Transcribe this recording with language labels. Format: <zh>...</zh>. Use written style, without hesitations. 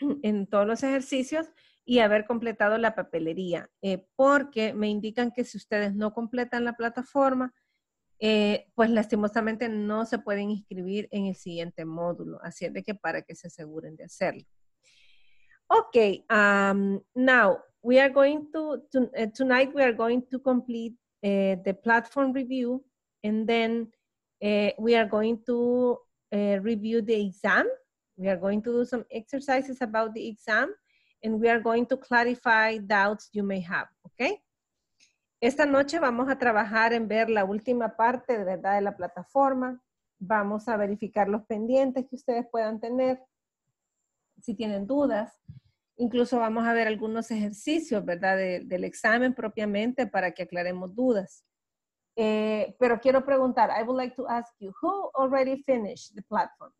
<es>En todos los ejercicios y haber completado la papelería. Porque me indican que si ustedes no completan la plataforma, pues lastimosamente no se pueden inscribir en el siguiente módulo. Así es de que para que se aseguren de hacerlo.</es> <en>Ok, now we are going tonight we are going to complete the platform review, and then we are going to review the exam. We are going to do some exercises about the exam, and we are going to clarify doubts you may have, okay?</en> <es>Esta noche vamos a trabajar en ver la última parte, ¿verdad?, de la plataforma. Vamos a verificar los pendientes que ustedes puedan tener, si tienen dudas. Incluso vamos a ver algunos ejercicios, ¿verdad?, del examen propiamente para que aclaremos dudas. Pero quiero preguntar,</es> <en>I would like to ask you, who already finished the platform?</en>